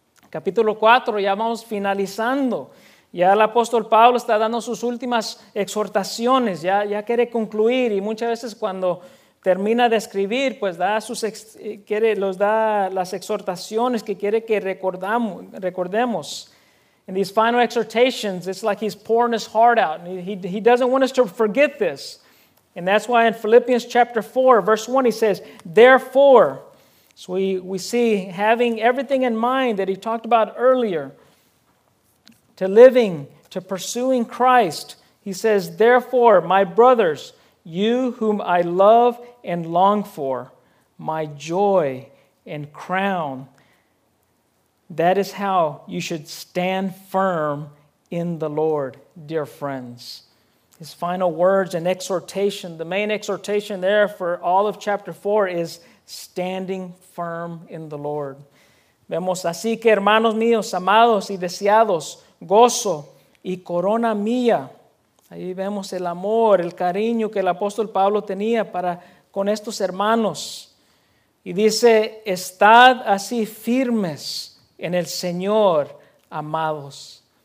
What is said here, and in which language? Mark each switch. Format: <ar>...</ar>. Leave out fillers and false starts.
<es>Capítulo 4, ya vamos finalizando. Ya el apóstol Pablo está dando sus últimas exhortaciones. Ya quiere concluir. Y muchas veces cuando termina de escribir, pues da sus, quiere, los da las exhortaciones que quiere que recordemos.</es> <en>In these final exhortations, it's like he's pouring his heart out. He doesn't want us to forget this. And that's why in Philippians chapter 4, verse 1, he says, therefore, so we see having everything in mind that he talked about earlier, to living, to pursuing Christ, he says, therefore, my brothers, you whom I love and long for, my joy and crown, that is how you should stand firm in the Lord, dear friends. His final words and exhortation, the main exhortation there for all of chapter 4 is standing firm in the Lord.</en> <es>Vemos así que hermanos míos, amados y deseados, gozo y corona mía. Ahí vemos el amor, el cariño que el apóstol Pablo tenía para con estos hermanos. Y dice, estad así firmes en el Señor, amados.</es>